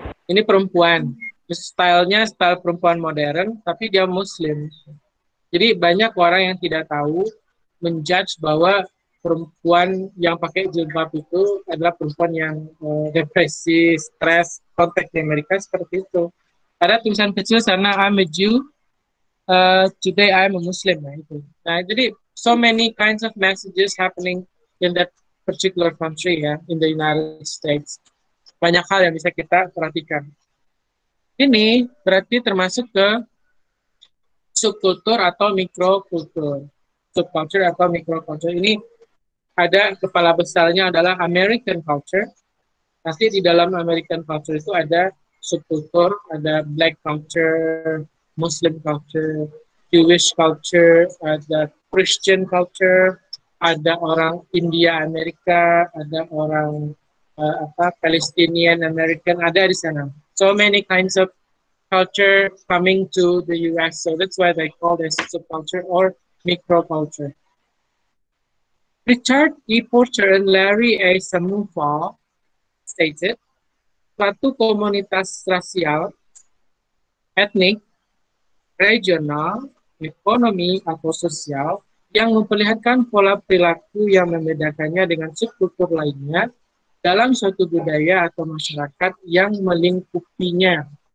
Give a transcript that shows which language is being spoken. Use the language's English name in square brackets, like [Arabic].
[Indonesian] Ini perempuan, stylenya style perempuan modern, tapi dia Muslim. Jadi banyak orang yang tidak tahu menjudge bahwa perempuan yang pakai jilbab itu adalah perempuan yang depresi, stres, konteks di Amerika seperti itu. Ada tulisan kecil sana, [English] I'm a Jew, today I'm a Muslim. [Indonesian] Nah, itu. Nah, jadi [English] so many kinds of messages happening in that particular country, ya, in the United States. [Indonesian] Banyak hal yang bisa kita perhatikan. Ini berarti termasuk ke subkultur atau mikrokultur. Subculture atau mikrokultur. Ini ada kepala besarnya adalah American culture. Pasti di dalam American culture itu ada subkultur, ada Black culture, Muslim culture, Jewish culture, ada Christian culture, ada orang India Amerika, ada orang Palestinian American, ada di sana. [English] So many kinds of culture coming to the US. So that's why they call this subculture or microculture. Richard E. Porter and Larry A. [Indonesian] Samufo stated, suatu komunitas rasial, etnik, regional, ekonomi atau sosial yang memperlihatkan pola perilaku yang membedakannya dengan subkultur lainnya dalam suatu budaya atau masyarakat yang melingkupinya.